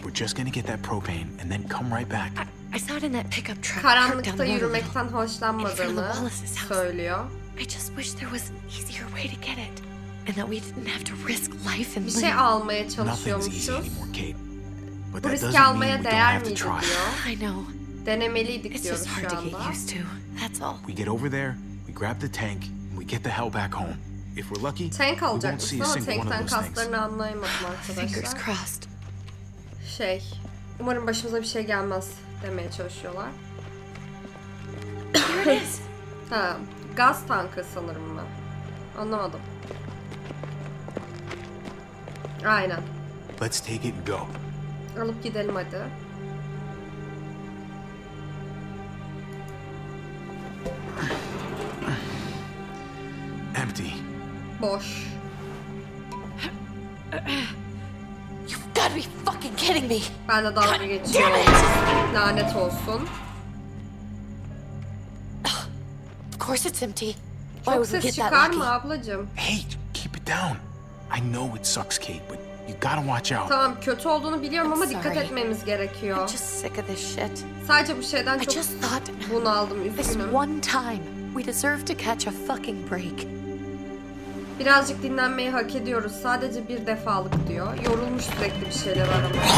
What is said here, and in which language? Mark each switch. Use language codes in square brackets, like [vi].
[en] We're just gonna get that propane and then come right back. I saw it in that pickup truck. [tr] Karanlıkta yürümekten hoşlanmadığını söylüyor. [en] I just wish there was an easier way to get it, and that we didn't have to risk life and limb. [tr] Bir şey almaya çalışıyormuşuz. Bu riski almaya değer miydi diyor. [en] I know. [tr] Denemeliydik [en] it's [tr] diyoruz şu anda. [en] It's just hard to get used to, that's all. We get over there, we grab the tank, and we get the hell back home. If we're lucky, tank we won't see a single one of those [tr] tanks. Kaslarını anlayamadım arkadaşlar. [en] Fingers crossed. [tr] Şey, umarım başımıza bir şey gelmez demeye çalışıyorlar. [en] Here it is. [tr] Ha. Gaz tankı sanırım ben. Anlamadım. Aynen. [en] Let's take it and go. [tr] Alıp gidelim hadi. [en] Empty. [tr] Boş. [en] You've got to be fucking kidding me. [tr] Ben de dalga geçiyorum. Lanet olsun. [en] Of course it's empty. Why would we get that lucky? [tr] Çok ses çıkarma ablacım. [en] Hey, keep it down. I know it sucks, Kate, but you gotta watch out. [tr] Tamam, kötü olduğunu biliyorum ama dikkat etmemiz gerekiyor. [en] I'm just sick of this shit. [tr] Sadece bu şeyden çok bunaldım, üzgünüm. [en] This one time, we deserve to catch a fucking break. [tr] Birazcık dinlenmeyi hak ediyoruz. Sadece bir defalık diyor. Yorulmuş sürekli bir şeyler aramaya.